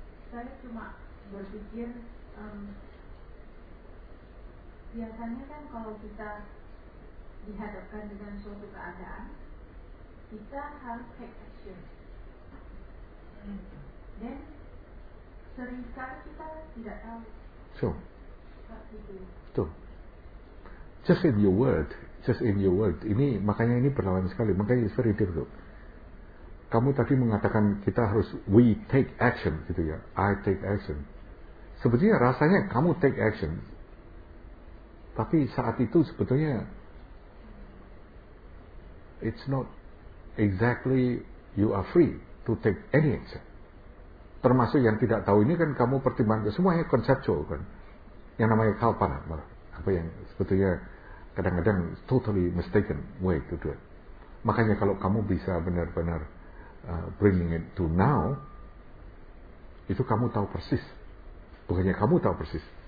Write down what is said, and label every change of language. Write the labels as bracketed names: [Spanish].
[Indonesian] Saya cuma berpikir biasanya kan kalau kita dihadapkan dengan suatu keadaan, kita harus [English] take action. [Indonesian] Dan seringkali kita tidak tahu. [English] So. So. Just in your word. Just in your world. [Indonesian] Ini makanya ini berlawanan sekali. Makanya [English] it's very difficult. [Indonesian] Kamu tadi mengatakan kita harus [English] we take action, [Indonesian] gitu ya. [English] I take action. [Indonesian] Sebetulnya rasanya kamu [English] take action. [Indonesian] Tapi saat itu sebetulnya [English] it's not exactly you are free to take any action. [Indonesian] Termasuk yang tidak tahu ini kan kamu pertimbangkan semuanya conceptual kan. Yang namanya kalpana malah. Apa yang sebetulnya kadang-kadang [English] totally mistaken way to do it. [Indonesian] Makanya kalau kamu bisa benar-benar [English] bringing it to now, [Indonesian] itu kamu tahu persis. Bukannya kamu tahu persis.